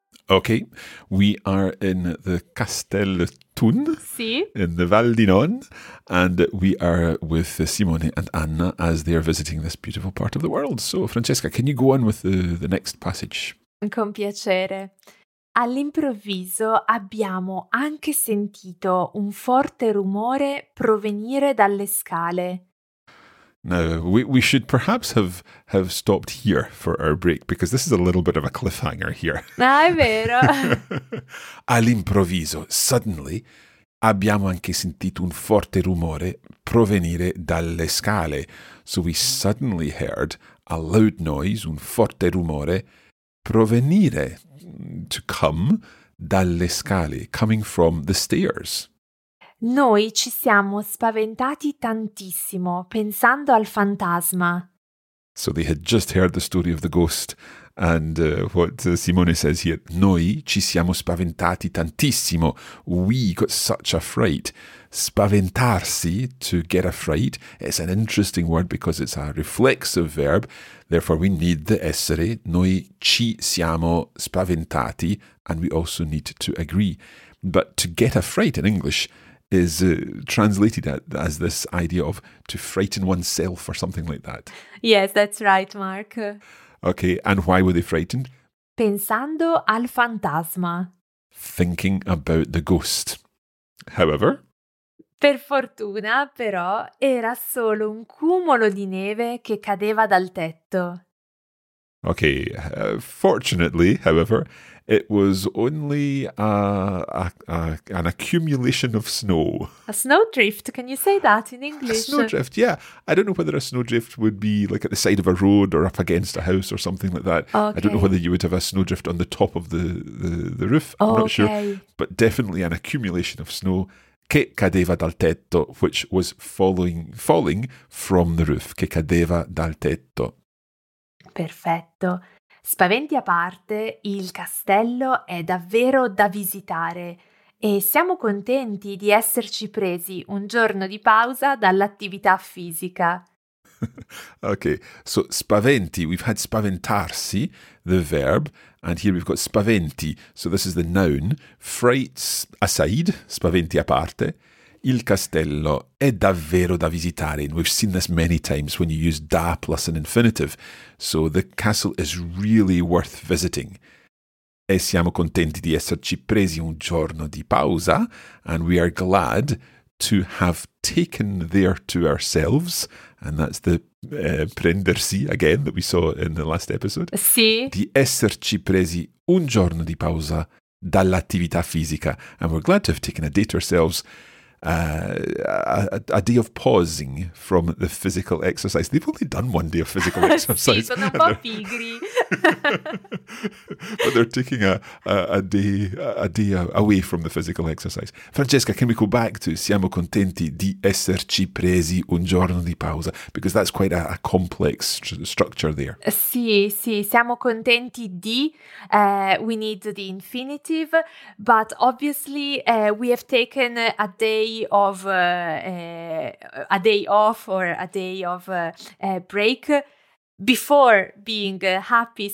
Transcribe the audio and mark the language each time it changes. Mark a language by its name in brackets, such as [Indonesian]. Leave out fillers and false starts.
[English] Okay, we are in the Castel Thun, [Italian] si. [English] In the Val di Non, and we are with Simone and Anna as they are visiting this beautiful part of the world. So, Francesca, can you go on with the next passage? [Italian] Con piacere. All'improvviso abbiamo anche sentito un forte rumore provenire dalle scale. [English] Now, we should perhaps have stopped here for our break, because this is a little bit of a cliffhanger here. [Italian] Ah, è vero. All'improvviso, [English] suddenly, [Italian] abbiamo anche sentito un forte rumore provenire dalle scale. [English] So we suddenly heard a loud noise, [Italian] un forte rumore, provenire, [English] to come, [Italian] dalle scale, [English] coming from the stairs. [Italian] Noi ci siamo spaventati tantissimo, pensando al fantasma. [English] So they had just heard the story of the ghost, and what Simone says here, [Italian] noi ci siamo spaventati tantissimo, [English] we got such a fright. Spaventarsi, to get a fright, is an interesting word because it's a reflexive verb, therefore we need the essere, [Italian] noi ci siamo spaventati, [English] and we also need to agree. But to get a fright in English is translated as this idea of to frighten oneself or something like that. Yes, that's right, Mark. Okay, and why were they frightened? [Italian] Pensando al fantasma. [English] Thinking about the ghost. However? [Italian] Per fortuna, però, era solo un cumulo di neve che cadeva dal tetto. [English] Okay, fortunately, however, it was only an accumulation of snow. A snowdrift, can you say that in English? A snowdrift, yeah. I don't know whether a snowdrift would be like at the side of a road or up against a house or something like that. Okay. I don't know whether you would have a snowdrift on the top of the roof. Oh, I'm not okay. sure. But definitely an accumulation of snow. [Italian] Che cadeva dal tetto, [English] which was falling from the roof. [Italian] Che cadeva dal tetto. Perfetto. Spaventi a parte, il castello è davvero da visitare e siamo contenti di esserci presi un giorno di pausa dall'attività fisica. [English] Ok, so spaventi, we've had spaventarsi, the verb, and here we've got spaventi, so this is the noun, frights aside, [Italian] spaventi a parte. Il castello è davvero da visitare. [English] And we've seen this many times when you use da plus an infinitive. So the castle is really worth visiting. [Italian] E siamo contenti di esserci presi un giorno di pausa. [English] And we are glad to have taken there to ourselves. And that's the prendersi again that we saw in the last episode. [Italian] Sì. Di esserci presi un giorno di pausa dall'attività fisica. [English] And we're glad to have taken a day to ourselves, a day of pausing from the physical exercise. They've only done one day of physical exercise. [Italian] Sì, sono un po' pigri. [English] But they're taking a day away from the physical exercise. Francesca, can we go back to [Italian] siamo contenti di esserci presi un giorno di pausa? [English] Because that's quite a complex structure there. [Italian] Sì, sì, siamo contenti di, [English] we need the infinitive, but obviously we have taken a day of a day off or a day of break before being happy.